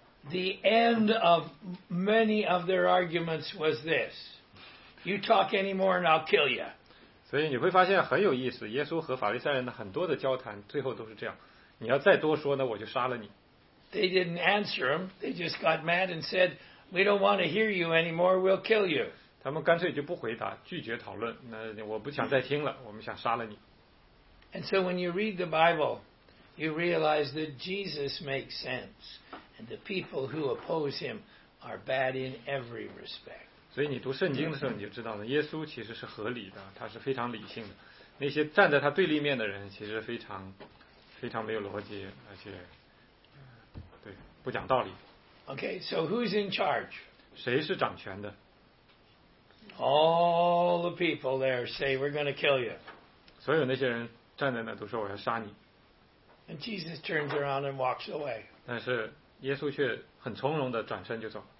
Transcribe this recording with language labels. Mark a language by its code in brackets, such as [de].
[en] The end of many of their arguments was this: "You talk anymore, and I'll kill you." [zh] 所以你会发现很有意思。耶稣和法利赛人的很多的交谈，最后都是这样：你要再多说呢，我就杀了你。 [en] They didn't answer him. They just got mad and said, "We don't want to hear you anymore. We'll kill you." [zh] 他们干脆就不回答，拒绝讨论。那我不想再听了，我们想杀了你。 [en] And so when you read the Bible, you realize that Jesus makes sense. The people who oppose him are bad in every respect. [zh] 所以你读圣经的时候，你就知道了，耶稣其实是合理的，他是非常理性的。那些站在他对立面的人，其实非常非常没有逻辑，而且对不讲道理。 [en] Okay, so who's in charge? [zh] 谁是掌权的？ [en] All the people there say we're going to kill you. [zh] 所有那些人站在那都说我要杀你。 [en] And Jesus turns around and walks away. [zh] 但是耶稣却很从容地转身就走。